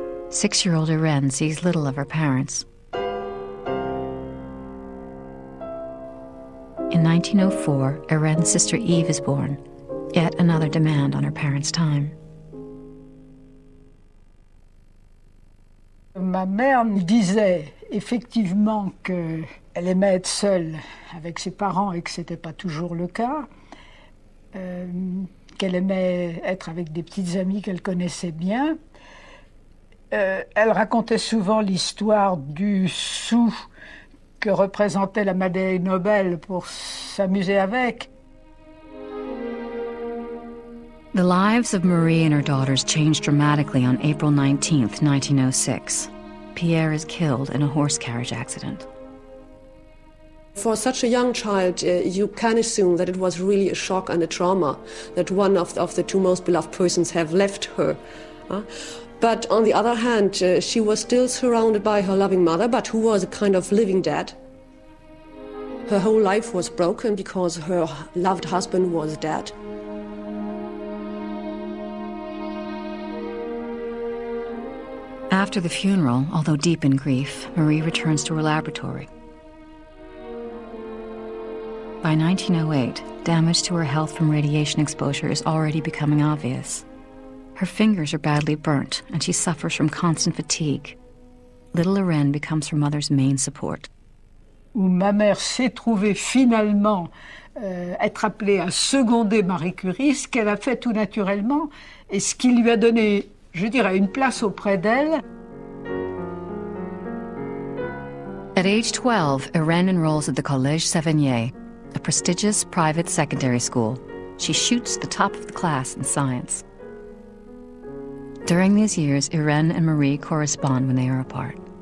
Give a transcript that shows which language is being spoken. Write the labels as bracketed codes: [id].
[en] Six-year-old Irene sees little of her parents. In 1904, Irene's sister Eve is born, yet another demand on her parents' time. [fr] Ma mère me disait effectivement qu'elle aimait être seule avec ses parents et que ce n'était pas toujours le cas, qu'elle aimait être avec des petites amies qu'elle connaissait bien. Elle racontait souvent l'histoire du sou que représentait la médaille Nobel pour s'amuser avec. [en] The lives of Marie and her daughters changed dramatically on April 19th, 1906. Pierre is killed in a horse carriage accident. For such a young child, you can assume that it was really a shock and a trauma that one of the two most beloved persons have left her. But on the other hand, she was still surrounded by her loving mother, but who was a kind of living dead. Her whole life was broken because her loved husband was dead. After the funeral, although deep in grief, Marie returns to her laboratory. By 1908, damage to her health from radiation exposure is already becoming obvious. Her fingers are badly burnt, and she suffers from constant fatigue. Little Irene becomes her mother's main support. [fr] Où ma mère s'est trouvée finalement être appelée à seconder Marie Curie, ce qu'elle a fait tout naturellement, et ce qui lui a donné, je dirais, une place auprès d'elle. [en] At age 12, Irene enrolls at the Collège Sévigné, a prestigious private secondary school. She shoots the top of the class in science. During these years, Irene and Marie correspond when they are apart.